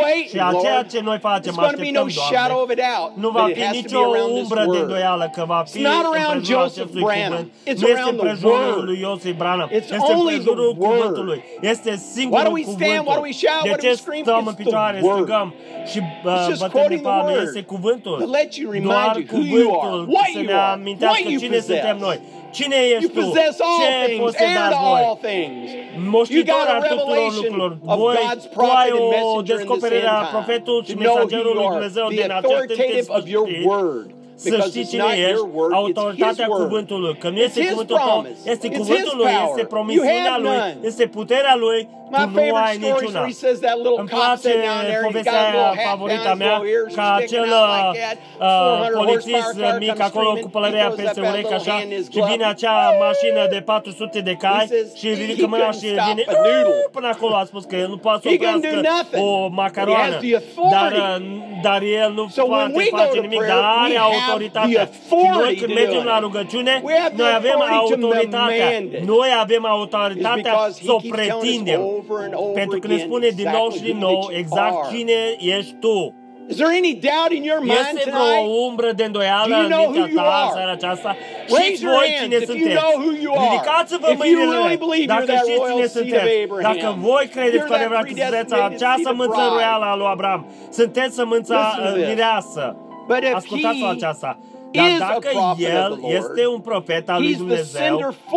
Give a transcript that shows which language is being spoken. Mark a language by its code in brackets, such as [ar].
[ro] Și aceea ce noi facem, așteptăm, Doamne. Nu va fi nicio umbră de îndoială că va fi împrejurul acestui cuvânt. Nu este împrejurul lui Iosif Branham. Este împrejurul cuvântului. Este singur. [en] Why do we stand? Why do we shout? Why do we scream? [ro] Stăm în picioare, strigăm și bătem pe palme. Este cuvântul. [en] To let you remind you who you are, what you are, what you possess. [ro] Cine suntem noi? Cine ești tu? [en] You possess all things and all things. You got a revelation of God's prophet and messenger in this time. To know who you are, the authoritative of your word. [ro] Să știi cine ești, autoritatea cuvântului, că nu este cuvântul tău, este cuvântul lui, este promisiunea lui, este puterea lui, tu nu ai niciuna. Îmi place povestea aia favorita mea, ca acel polițist mic acolo cu pălărea peste urechi așa, și vine acea mașină de 400 de cai și ridică mâna și vine până acolo, a spus că el nu poate să oprească o macaroană, dar el nu poate face nimic, dar are autoritatea. Noi când mergem la rugăciune, noi avem autoritatea. Noi avem autoritatea să o pretindem. Pentru că ne spune din nou și din nou exact cine ești tu. [en] Is there any doubt in your mind tonight? [ro] Este o umbră de îndoială în mintea ta seara aceasta? [en] Raise your hands if you know who you are. [ro] Ridicați-vă mâinile dacă știți cine sunteți. Dacă voi credeți cu adevărat că sunteți acea sămânță royală a lui Abraham, sunteți sămânța mireasă. [en] But if [ro] ascultați-o aceasta. Dar dacă el este un profet al lui Dumnezeu,